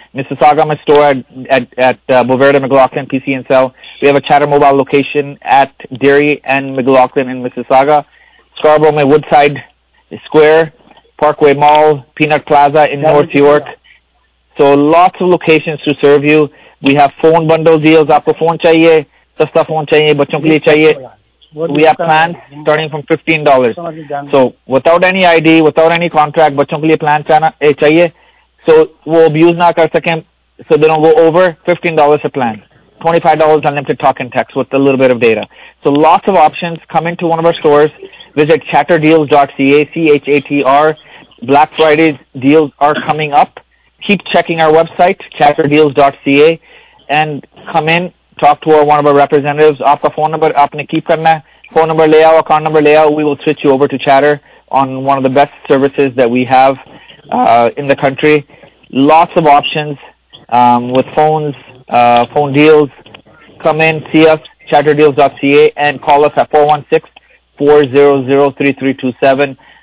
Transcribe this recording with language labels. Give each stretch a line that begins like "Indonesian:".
English: Mississauga, my store at Boverde, McLaughlin, PC and Cell. We have a Chatter Mobile location at Derry and McLaughlin in Mississauga. Scarborough, my Woodside Square, Parkway Mall, Peanut Plaza in North York. So lots of locations to serve you. We have phone bundle deals.
Hindi: आपको phone चाहिए, सस्ता phone चाहिए, बच्चों के लिए चाहिए.
English: We have plans starting from $15. So without any ID, without any contract,
Hindi: बच्चों के लिए plan चाहिए.
English: So
Hindi: वो abuse ना कर सकें,
English: so they don't go over $15 a plan. $25 unlimited talk and text with a little bit of data. So lots of options. Come into one of our stores. Visit chatterdeals.ca, C-H-A-T-R. Black Friday deals are coming up. Keep checking our website, chatterdeals.ca, and come in. Talk to one of our representatives.
Hindi: आपका phone number, आपने keep करना, phone number ले out, account number ले out.
English: We will switch you over to Chatter on one of the best services that we have in the country. Lots of options with phones, phone deals. Come in, see us, chatterdeals.ca, and call us at 416-400-3327.